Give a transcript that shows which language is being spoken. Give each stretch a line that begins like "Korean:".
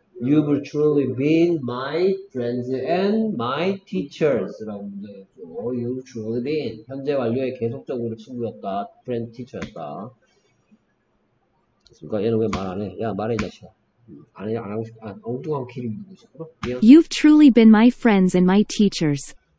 English: You've truly been my friends and my teachers.
Korean: 라고 문제였죠.
English: You've truly been.
Korean: 현재 완료에 계속적으로 친구였다. friend teacher였다. 그러니까 얘는 왜 말 안 해? 야 말해 이 자식아 아니 안 하고 싶어 아, 엉뚱한 길이 있는 거지
English: You've truly been my friends and my teachers